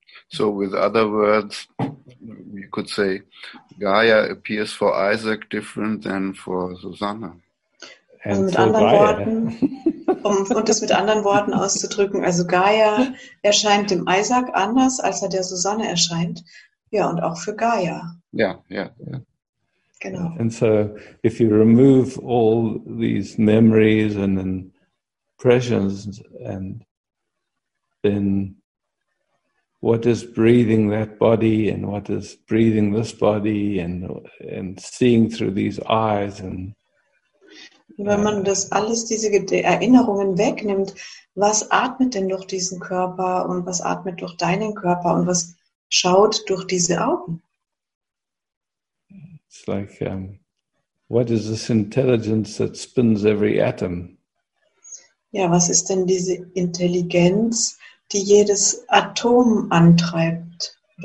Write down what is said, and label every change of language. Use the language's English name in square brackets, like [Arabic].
[English] So with other words, you could say, Gaia appears for Isaac different than for Susanna. [German] Also mit anderen Worten, um das mit anderen Worten auszudrücken, also Gaia erscheint dem Isaac anders, als er der Susanne erscheint. Ja, und auch für Gaia. Ja. Genau. [English] And so, if you remove all these memories and impressions, and then what is breathing that body and what is breathing this body and seeing through these eyes and [German] wenn man das alles, diese Erinnerungen wegnimmt, was atmet denn durch diesen Körper und was atmet durch deinen Körper und was schaut durch diese Augen? [English] It's like, what is this intelligence that spins every atom? [German] Ja, was ist denn diese Intelligenz, die jedes Atom antreibt?